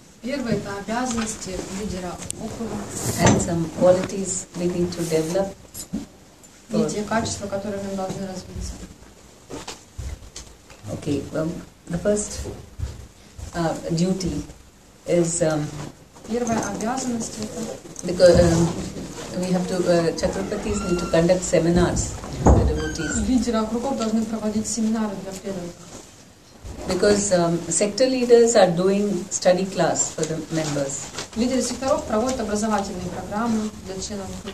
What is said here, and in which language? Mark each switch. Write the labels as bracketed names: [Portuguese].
[Russian] Первое это обязанности лидера округа. [English] And some qualities we need to develop. [Russian] И те качества, которые мы должны развиться. [English] Okay, well, the first duty is. [Russian] Первая обязанность это. [English] Because we have to chakrapatis need to conduct seminars for the devotees. [Russian] Лидеры округов должны проводить семинары для преданных. [English] Because sector leaders are doing study class for the members. [Russian] Лидеры секторов проводят образовательные программы для членов.